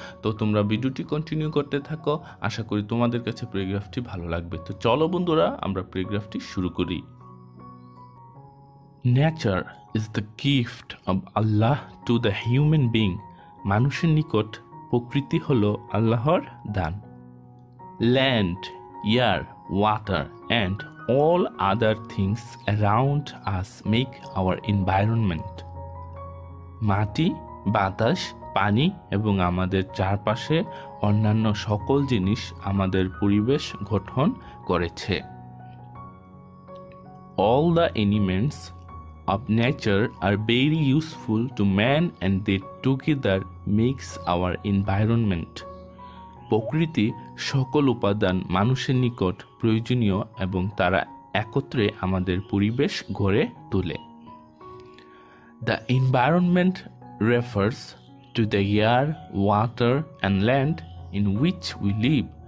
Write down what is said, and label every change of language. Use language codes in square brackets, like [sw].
[bn] তো তোমরা ভিডিওটি কন্টিনিউ করতে থাকো, আশা করি তোমাদের কাছে প্যারাগ্রাফটি ভালো লাগবে। তো চলো বন্ধুরা, আমরা প্যারাগ্রাফটি শুরু করি। [en] nature is the gift of Allah to the human being, [bn] মানুষের নিকট প্রকৃতি হলো আল্লাহর দান। [en] Land, air, water and All other things around us make our environment. [bn] মাটি, বাতাস, পানি এবং আমাদের চারপাশে অন্যান্য সকল জিনিস আমাদের পরিবেশ গঠন করেছে। [en] All the elements of nature are very useful to man and they together makes our environment. [bn] প্রকৃতি সকল উপাদান মানুষের নিকট প্রয়োজনীয় এবং তারা একত্রে আমাদের পরিবেশ গড়ে তোলে। [en] The environment refers to the air, water and land in which we live.